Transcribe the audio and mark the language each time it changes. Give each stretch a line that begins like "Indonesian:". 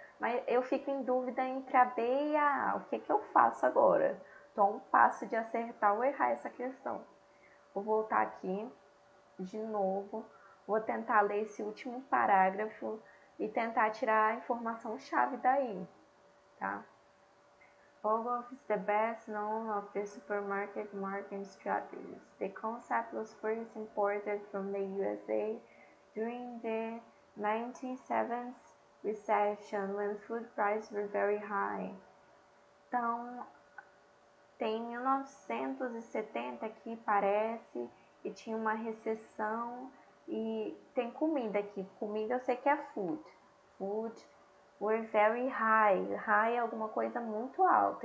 Portuguese: Mas eu fico em dúvida entre a B e a A. O que que eu faço agora? Estou a um passo de acertar ou errar essa questão. Vou voltar aqui de novo. Vou tentar ler esse último parágrafo e tentar tirar a informação-chave daí, tá?
English: Pogo is the best known of the supermarket marketing strategies. The concept was first imported from the USA during the 1970s recession, when food prices were very high.
Portuguese: Então, tem 1970 aqui, parece, e tinha uma recessão, e tem comida aqui. Comida eu sei que é food. Food.
English: Were very high.
Portuguese: High é alguma coisa muito alta.